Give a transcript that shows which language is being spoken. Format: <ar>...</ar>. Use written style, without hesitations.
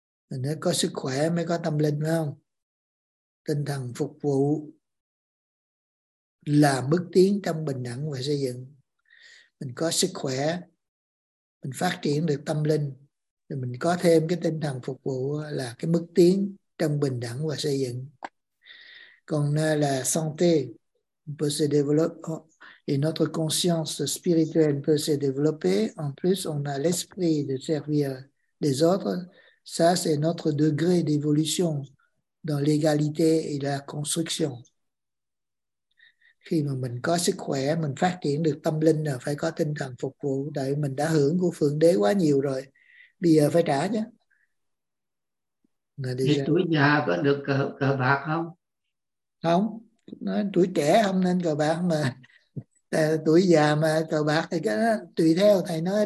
<vi>Mình có sức khỏe mới có tâm linh, phải không? Tinh thần phục vụ là bước tiến trong bình đẳng và xây dựng. Mình có sức khỏe, mình phát triển được tâm linh, thì mình có thêm cái tinh thần phục vụ là cái bước tiến trong bình đẳng và xây dựng.</vi> <fr>Còn là santé, on peut se développer, et notre conscience spirituelle peut se développer. En plus, on a l'esprit de servir les autres. Ça, c'est notre degré d'évolution dans l'égalité et la construction.</fr> <vi>Khi mà mình có sức khỏe, mình phát triển được tâm linh là phải có tinh thần phục vụ. Đại mình đã hưởng của Phượng Đế quá nhiều rồi. Bây giờ phải trả chứ. Thì tuổi già có được cờ bạc không? Không. Nói tuổi trẻ không nên cờ bạc mà. Tuổi già mà cờ bạc thì cái đó, tùy theo thầy nói.</vi>